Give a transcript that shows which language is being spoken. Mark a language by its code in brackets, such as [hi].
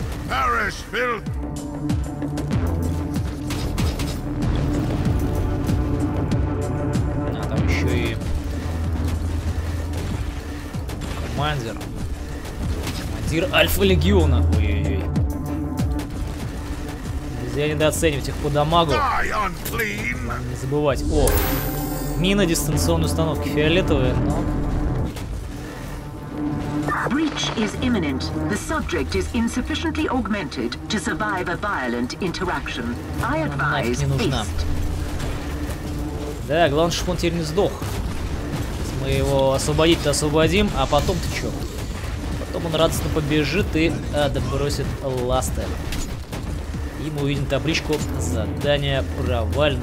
[ru] Parish, а там еще и командир. Командир Альфа-легиона. Ой-ой-ой. Нельзя недооценивать их по дамагу. Не забывать. О! Мина дистанционной установки фиолетовая, но... [en] Breach is imminent. The subject is insufficiently augmented to survive a violent interaction. I advise haste. [ru] Да, главное, чтобы он теперь не сдох. Мы его освободить-то освободим, а потом-то чё? Потом он радостно побежит и отбросит ласты. И мы увидим табличку «Задание провалено».